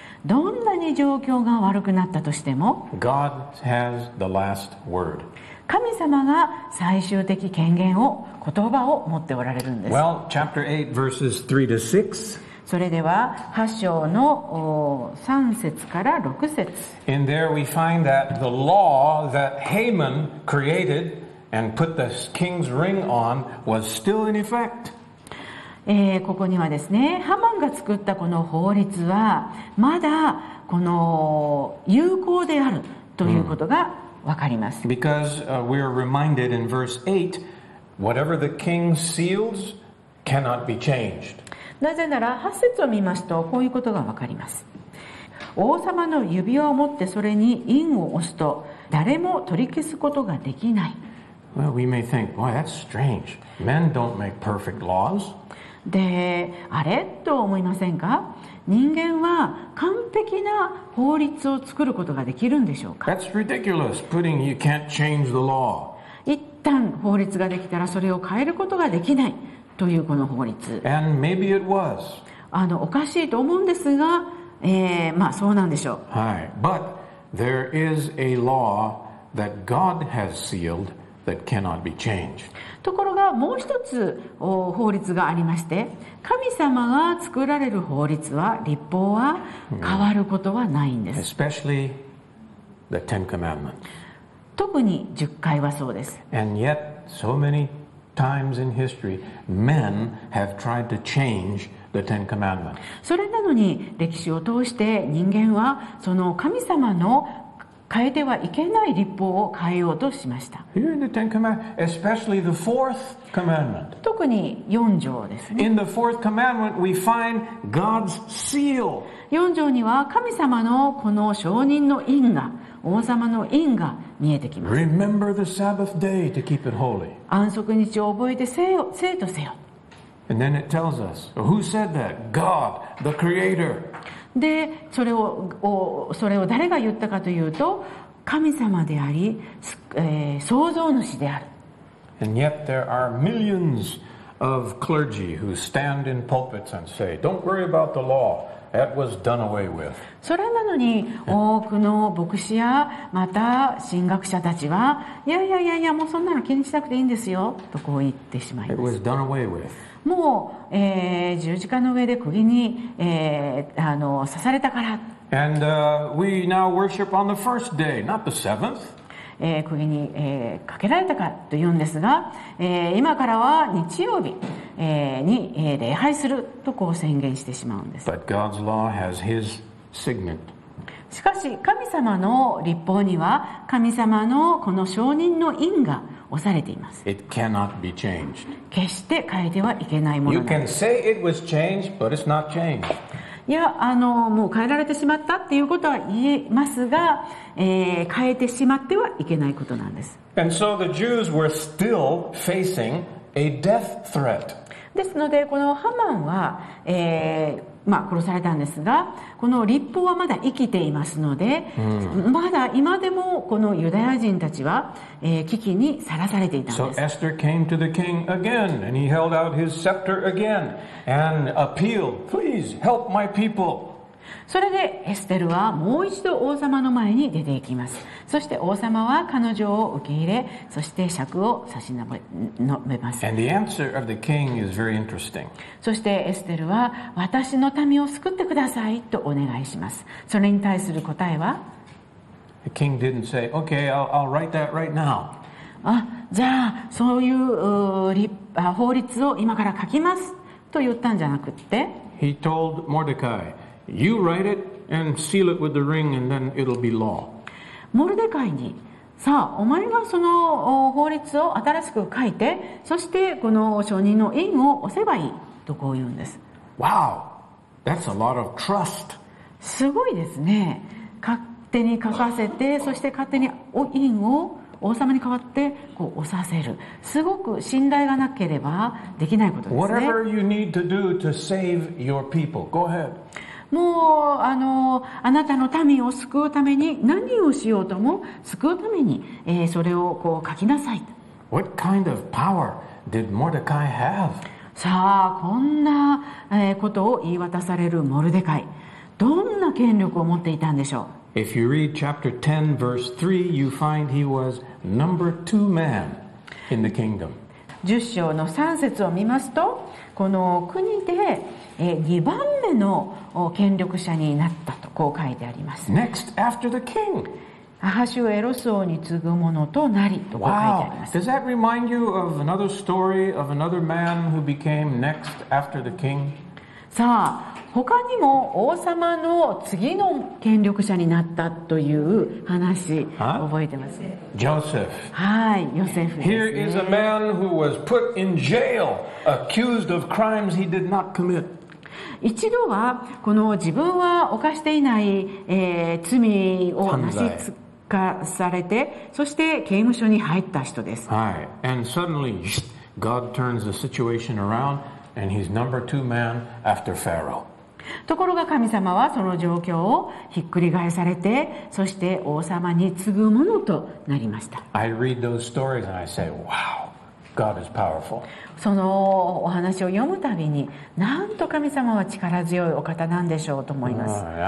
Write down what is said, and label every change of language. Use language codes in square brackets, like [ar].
[ja] どんなに状況が悪くなったとしても、 [en] God has the last word. [ja] 神様が最終的権限を、言葉を持っておられるんです。 [en] Well, chapter 8 verses 3 to 6。 [ja] それでは8章の3節から6節。 [en] In there we find that the law that Haman created and put the king's ring on was still in effect. [ja] ここにはですね、ハマンが作ったこの法律はまだこの有効であるということがわかります。 [en] Because we are reminded in verse 8, whatever the king seals cannot be changed. [ja] なぜなら8節を見ますと、こういうことがわかります。王様の指輪を持ってそれに印を押すと誰も取り消すことができない。 [en] Well, we may think, why, that's strange. Men don't make perfect laws. [ja] で、あれ？と思いませんか？人間は完璧な法律を作ることができるんでしょうか？ [en] That's ridiculous. Putting you can't change the law. [ja] 一旦法律ができたらそれを変えることができないというこの法律。 And maybe it was. おかしいと思うんですが、まあそうなんでしょう。はい。 [en] But there is a law that God has sealed that cannot be changed. [ja] ところがもう一つ法律がありまして、神様が作られる法律は、立法は変わることはないんです。 Mm. [en] Especially the Ten Commandments. [ja] 特に十戒はそうです。 [en] And yet so manyTimes in history, men have tried to change the Ten Commandments. [ja] それなのに歴史を通して人間はその神様の変えてはいけない律法を変えようとしました。 [en] Here in the Ten Commandments, especially the fourth commandment. [ja] 特に四条ですね。 [en] In the fourth commandment, we find God's seal. [ja] 四条には神様のこの証人の印が、王様の印が見えてきます。 [en] Remember the Sabbath day to keep it holy. [ja] 安息日を覚えて聖よ、聖とせよ。 [en] And then it tells us, who said that? God, the Creator. [ja] で、それを誰が言ったかというと、神様であり、創造主である。 [en] And yet there are millions of clergy who stand in pulpits and say, "Don't worry about the law. That was done away with. [ja] それなのに多くの牧師やまた神学者たちはいやいやいやいやもうそんなの気にしなくていいんですよとこう言ってしまいます。 [en] It was done away with. [ja] もう、十字架の上で釘に、刺されたから。 [en] And we now worship on the first day, not the seventh. [ja] 釘に、かけられたかというんですが、今からは日曜日、に、礼拝するとこう宣言してしまうんです。 [en] But God's law has his signet. [ja] しかし神様の律法には神様のこの承認の印が押されています。 [en] It cannot be changed. [ja] 決して変えてはいけないものなんです。 [en] You can say it was changed, but it's not changed. [ja] いやもう変えられてしまったっていうことは言えますが、変えてしまってはいけないことなんです。 [en] And so the Jews were still facing a death threat. [ja] ですのでこのハマンは、まあ、殺されたんですがこの律法はまだ生きていますので、mm. まだ今でもこのユダヤ人たちは、危機にさらされていたんです。 [en] So Esther came to the king again and he held out his scepter again and appealed, please help my people. [ja] それでエステルはもう一度王様の前に出ていきます。そして王様は彼女を受け入れそして尺を差し伸べます。 [en] And the answer of the king is very interesting. [ja] そしてエステルは私の民を救ってくださいとお願いします。それに対する答えは [en] The king didn't say, okay, I'll write that right now. [ja] あ、じゃあそういう法律を今から書きますと言ったんじゃなくって [en] He told Mordecai, you write it and seal it with the ring and then it'll be law. [ja] モルデカイにさあお前がその法律を新しく書いてそしてこの承認の印を押せばいいとこう言うんです [en] Wow, that's a lot of trust. [ja] すごいですね勝手に書かせてそして勝手に印を王様に代わってこう押させるすごく信頼がなければできないことですね [en] Whatever you need to do to save your people, go ahead [ja] もうあなたの民を救うために何をしようとも救うために、それをこう書きなさい。 [en] What kind of power did Mordecai have? [ja] さあこんな、ことを言い渡されるモルデカイどんな権力を持っていたんでしょう [en] If you read chapter 10 verse 3 you find he was number two man in the kingdom [ja] 10章の3節を見ますとこの国で2番目の権力者になったとこう書いてあります。 [en] Next after the king. [ja] アハシュエロス王に次ぐものとなりとこう書いてあります。 [en] Wow. Does that remind you of another story of another man who became next after the king? [ja] さあ、他にも王様の次の権力者になったという話、覚えてます [en] Joseph. [ja] はい、ヨセフです、ね。 [en] Here is a man who was put in jail, accused of crimes he did not commit. [ja] 一度はこの自分は犯していない、罪をなしつかされてそして刑務所に入った人です。はい。 [en] And suddenly, God turns the situation around and he's number two man after Pharaoh. [ja] ところが神様はその状況をひっくり返されてそして王様に次ぐものとなりました。 [en] I read those stories and I say, wow. God is powerful. [ja] そのお話を読むたびに、なんと神様は力強いお方なんでしょうと思います。